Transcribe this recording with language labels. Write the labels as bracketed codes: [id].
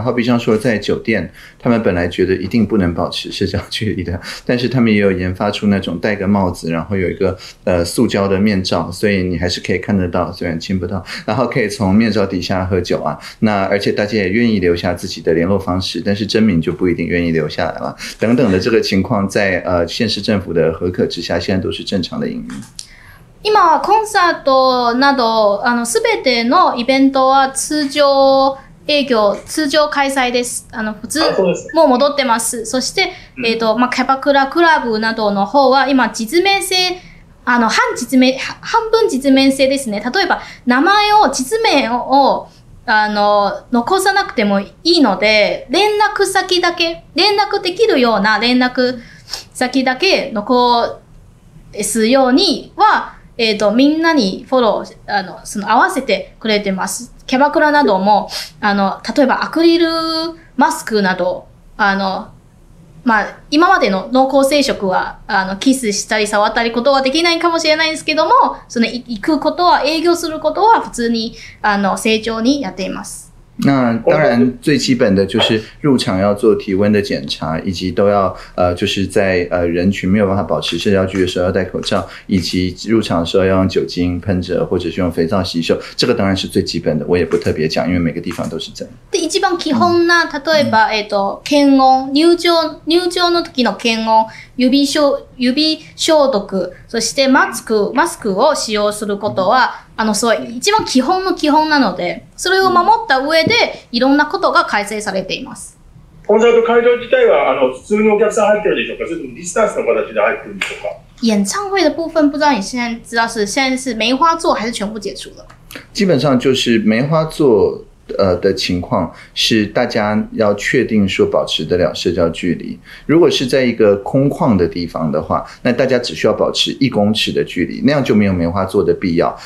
[zh] 好比像说在酒店，他们本来觉得一定不能保持社交距离的，但是他们也有研发出那种戴个帽子，然后有一个塑胶的面罩，所以你还是可以看得到，虽然亲不到，然后可以从面罩底下喝酒啊。那而且大家也愿意留下自己的联络方式，但是真名就不一定愿意留下来了。等等的这个情况在，在县市政府的核可之下，现在都是正常的营运。 [ja] 今はコンサートなど全てのイベントは通常営業、通常開催です。普通もう戻ってます。そして、まあ、キャバクラクラブなどの方は今実名制、半分実名制ですね。例えば名前を実名を残さなくてもいいので、連絡先だけ、連絡できるような連絡先だけ残すようにはみんなにフォロー、その合わせてくれてます。キャバクラなども、例えばアクリルマスクなど、まあ、今までの濃厚接触は、キスしたり触ったりことはできないかもしれないんですけども、その行くことは、営業することは普通に、正常にやっています。 [zh] 那当然最基本的就是入场要做体温的检查，以及都要就是在人群没有办法保持社交距离的时候要戴口罩，以及入场的时候要用酒精喷着或者是用肥皂洗手，这个当然是最基本的，我也不特别讲，因为每个地方都是这样。 [ja] で一番基本な、例えば検温、入場の時の検温、指消毒、そしてマスクを使用することは、そう、一番基本の基本なので、それを守った上で、いろんなことが改正されています。コンサート会場自体は、普通のお客さん入ってるでしょうか？それともディスタンスの形で入ってるんでしょうか？ [zh] 演唱会的部分、不知道你现在知道是、现在是梅花座还是全部解除了？基本上就是梅花座的情况是大家要确定说保持得了社交距离。如果是在一个空旷的地方的话，那大家只需要保持一公尺的距离，那样就没有梅花座的必要。